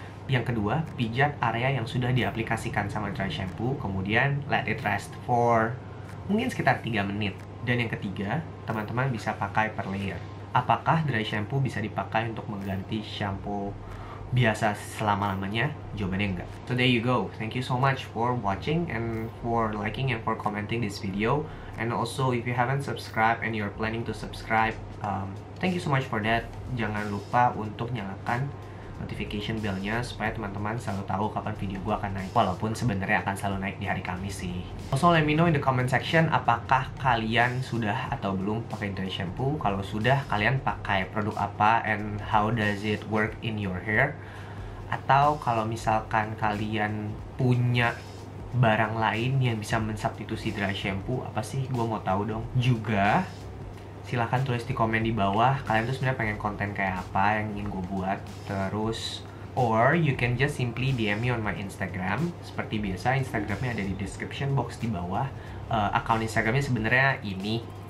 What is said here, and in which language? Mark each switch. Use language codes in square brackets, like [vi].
[id] Yang kedua, pijat area yang sudah diaplikasikan sama dry shampoo, kemudian [en] let it rest for [id] mungkin sekitar 3 menit. Dan yang ketiga, teman-teman bisa pakai per layer. Apakah dry shampoo bisa dipakai untuk mengganti shampoo biasa selama-lamanya? Jawabannya enggak. [en] So there you go. Thank you so much for watching and for liking and for commenting this video. And also, if you haven't subscribed and you're planning to subscribe, thank you so much for that. [id] Jangan lupa untuk nyalakan notification bell-nya supaya teman-teman selalu tahu kapan video gua akan naik, walaupun sebenarnya akan selalu naik di hari Kamis sih. [en] Also let me know in the comment section [id] apakah kalian sudah atau belum pakai dry shampoo. Kalau sudah, kalian pakai produk apa [en] and how does it work in your hair? [id] Atau kalau misalkan kalian punya barang lain yang bisa mensubstitusi dry shampoo, apa sih? Gua mau tahu dong. Juga silahkan tulis di komen di bawah, kalian tuh sebenarnya pengen konten kayak apa yang ingin gue buat. Terus, [en] or you can just simply DM me on my Instagram. [id] Seperti biasa, Instagramnya ada di description box di bawah. Akun Instagramnya sebenarnya ini.